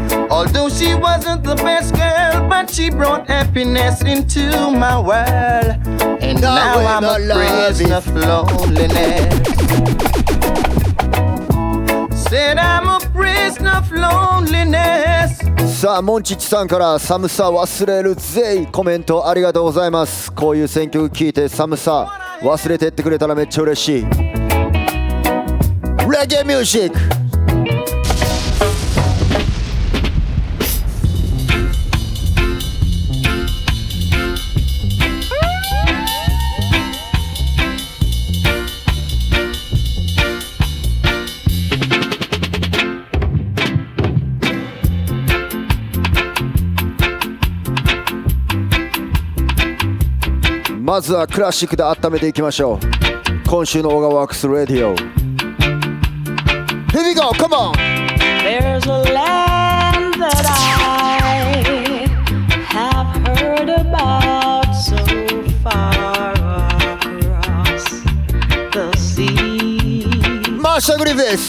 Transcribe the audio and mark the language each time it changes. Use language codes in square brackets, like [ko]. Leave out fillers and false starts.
[en] Although she wasn't the best girl, but she brought happiness into my world. And no, now I'm a prisoner of loneliness. Said I'm a prisoner of loneliness. [ja] さあモンチッチさんから寒さ忘れるぜいコメントありがとうございます。こういう選曲聞いて寒さ忘れてってくれたらめっちゃ嬉しい。レゲエミュージックまずはクラシックで温めていきましょう。今週のオガワークスラディオ Here we go, come on! [en] There's a land that I have heard about so far across the sea. Marsha Griffiths!